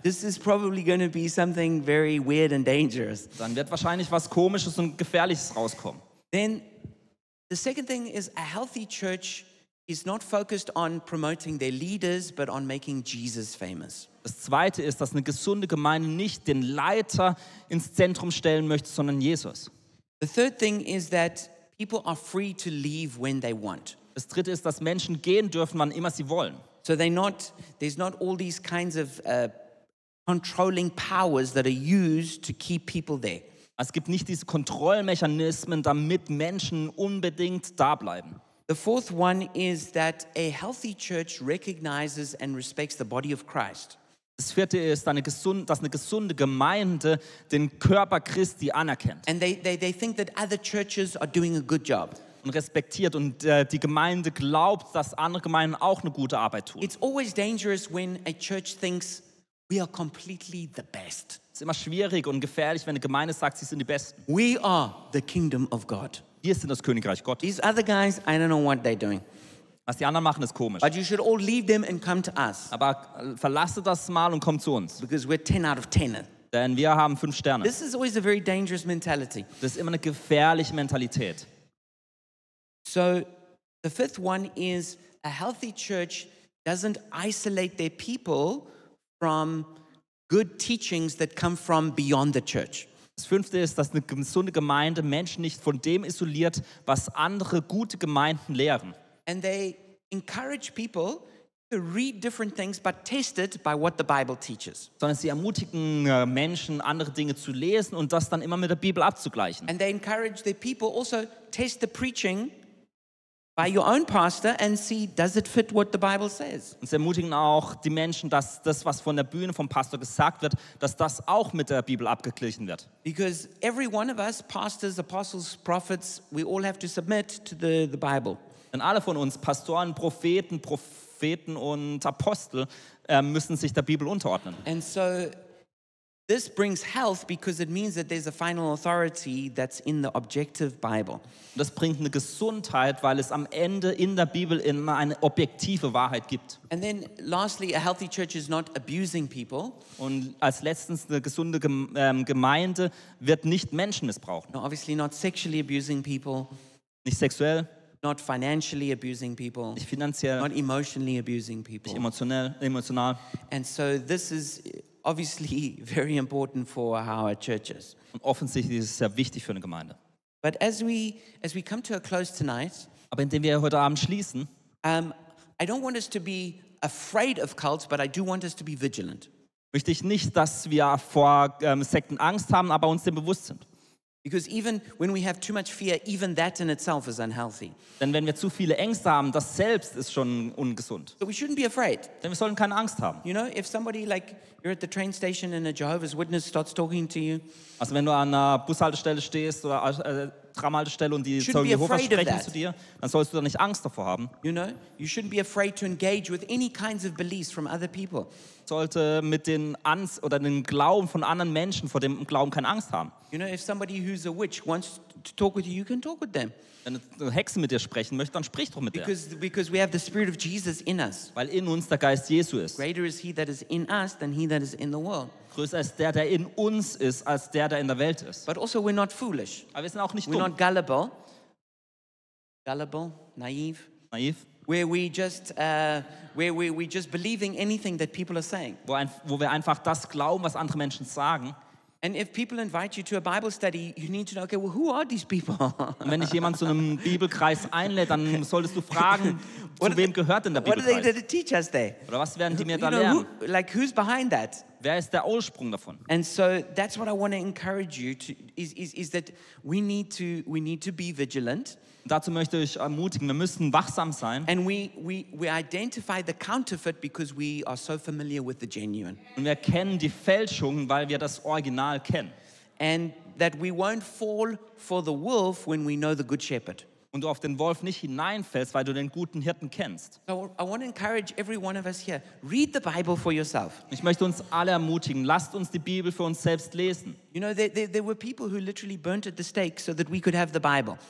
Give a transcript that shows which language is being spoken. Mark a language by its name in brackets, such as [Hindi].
[English] this is probably going to be something very weird and dangerous. [German] Dann wird wahrscheinlich was Komisches und Gefährliches rauskommen. [English] Then the second thing is a healthy church is not focused on promoting their leaders, but on making Jesus famous. [German] Das Zweite ist, dass eine gesunde Gemeinde nicht den Leiter ins Zentrum stellen möchte, sondern Jesus. [English] The third thing is that people are free to leave when they want. [German] Das dritte ist, dass Menschen gehen dürfen, wann immer sie wollen. [English] So they not, there's not all these kinds of controlling powers that are used to keep people there. [German] Es gibt nicht diese Kontrollmechanismen, damit Menschen unbedingt da bleiben. [English] The fourth one is that a healthy church recognizes and respects the body of Christ. [German] Das vierte ist, dass eine gesunde Gemeinde den Körper Christi anerkennt. [English] And they think that other churches are doing a good job. [German] Und respektiert und die Gemeinde glaubt, dass andere Gemeinden auch eine gute Arbeit tun. [English] It's always dangerous when a church thinks we are completely the best. [German] Es ist immer schwierig und gefährlich, wenn eine Gemeinde sagt, sie sind die Besten. [English] We are the kingdom of God. [German] Wir sind das Königreich Gottes. [English] These other guys, I don't know what they're doing. [German] Was die anderen machen, ist komisch. [English] But you should all leave them and come to us. [German] Aber verlasse das mal und komm zu uns. [English] Because we're 10 out of 10. [German] Denn wir haben 5 Sterne. [English] This is always a very dangerous mentality. [German] Das ist immer eine gefährliche Mentalität. [English] So, the fifth one is a healthy church doesn't isolate their people from good teachings that come from beyond the church. [German] Das fünfte ist, dass eine gesunde Gemeinde Menschen nicht von dem isoliert, was andere gute Gemeinden lehren. [English] And they encourage people to read different things but test it by what the Bible teaches. [German] Sondern sie ermutigen Menschen, andere Dinge zu lesen und das dann immer mit der Bibel abzugleichen. [English] And they encourage their people also test the preaching by your own pastor and see, does it fit what the Bible says? [German] Und sie ermutigen auch die Menschen, dass das, was von der Bühne vom Pastor gesagt wird, dass das auch mit der Bibel abgeglichen wird. [English] Because every one of us, pastors, apostles, prophets, we all have to submit to the Bible. [German] Denn alle von uns, Pastoren, Propheten und Apostel, müssen sich der Bibel unterordnen. [English] And so this brings health because it means that there's a final authority that's in the objective Bible. [German] Das bringt eine Gesundheit, weil es am Ende in der Bibel immer eine objektive Wahrheit gibt. [English] And then lastly, a healthy church is not abusing people. [German] Und als letztens, eine gesunde Gemeinde wird nicht Menschen missbrauchen. [English] No, obviously not sexually abusing people. [German] Nicht sexuell. [English] Not financially abusing people. [German] Nicht finanziell. [English] Not emotionally abusing people. [German] Nicht emotional. [English] And so this is obviously very important for how our church is. [German] Und offensichtlich ist es sehr wichtig für eine Gemeinde. [English] But as we come to a close tonight, [German] aber indem wir heute Abend schließen, [English] I don't want us to be afraid of cults, but I do want us to be vigilant. [German] Möchte ich nicht, dass wir vor Sekten Angst haben, aber uns dem bewusst sind. [English] Because even when we have too much fear, even that in itself is unhealthy. [German] Denn wenn wir zu viele Ängste haben, das selbst ist schon ungesund. [English] So we shouldn't be afraid. [German] Denn wir sollten keine Angst haben. [English] You know, if somebody like you're at the train station and a Jehovah's Witness starts talking to you. [German] Also wenn du an einer Bushaltestelle stehst oder Tramhaltestelle und die Zeugen Jehovas sprechen zu dir, dann sollst du da nicht Angst davor haben. [English] You know, you shouldn't be afraid to engage with any kinds of beliefs from other people. [German] Sollte mit den oder den Glauben von anderen Menschen vor dem Glauben keine Angst haben. [English] You know, if somebody who's a witch wants to talk with you, you can talk with them. [German] Wenn eine Hexe mit dir sprechen möchte, dann sprich doch mit ihr. [English] Because we have the spirit of Jesus in us. [German] Weil in uns der Geist Jesu ist. [English] Greater is he that is in us than he that is in the world. [German] Größer ist der in uns ist, als der in der Welt ist. [English] But also we're not foolish. [German] Aber wir sind auch nicht [English] we're [German] dumm. [English] We're not gullible. Gullible, naive. [German] Naiv. [English] Where we just believing anything that people are saying. [German] Wo wir einfach das glauben, was andere Menschen sagen. [English] And if people invite you to a Bible study, you need to know, okay, well, who are these people? [German] Und wenn ich jemanden zu einem Bibelkreis einlädt, dann solltest du fragen, zu wem gehört denn der [English] what [German] Bibelkreis? [English] What are they going to teach us there? [German] Oder was werden die mir da lernen? [English] Like, who's behind that? [German] Wer ist der Ursprung davon? [English] And so that's what I want to encourage you to is that we need to be vigilant. [German] Dazu möchte ich ermutigen, wir müssen wachsam sein. [English] And we identify the counterfeit because we are so familiar with the genuine. [German] Und wir kennen die Fälschung, weil wir das Original kennen. [English] And that we won't fall for the wolf when we know the good shepherd. [German] Und du auf den Wolf nicht hineinfällst, weil du den guten Hirten kennst. [English] So I want to encourage every one of us here, read the Bible for yourself. [German] Ich möchte uns alle ermutigen, lasst uns die Bibel für uns selbst lesen. [English] You know, there were people who literally burnt at the stake so that we could have the Bible.